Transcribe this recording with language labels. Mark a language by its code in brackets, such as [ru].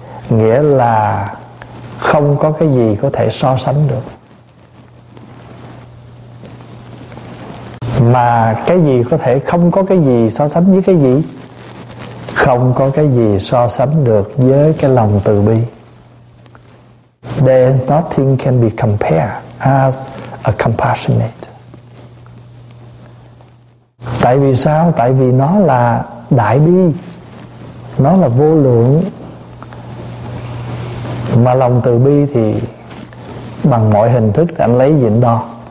[vi] Nghĩa là không có cái gì có thể so sánh được. Mà cái gì có thể không có cái gì so sánh với cái gì? Không có cái gì so sánh được với cái lòng từ bi. [en] There is nothing can be compared as a compassionate. [vi] Tại vì sao? Tại vì nó là đại bi, nó là vô lượng. Mà lòng từ bi thì bằng mọi hình thức anh lấy dịnh đo.